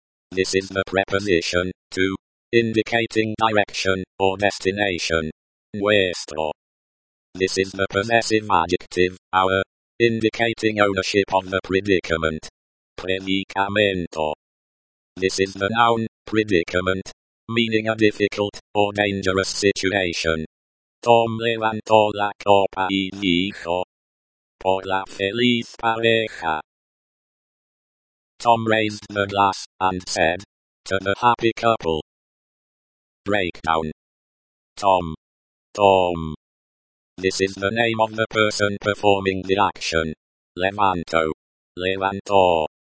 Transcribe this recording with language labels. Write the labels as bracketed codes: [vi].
[en] This is the preposition, to, indicating direction, or destination. Nuestro. This is the possessive adjective, our, indicating ownership of the predicament. Predicamento. This is the noun, predicament, meaning a difficult, or dangerous situation. [es] Tom levantó la copa y dijo, por la feliz pareja. [en] Tom raised the glass, and said, to the happy couple. Breakdown. Tom. Tom. This is the name of the person performing the action. Levanto. Levantó.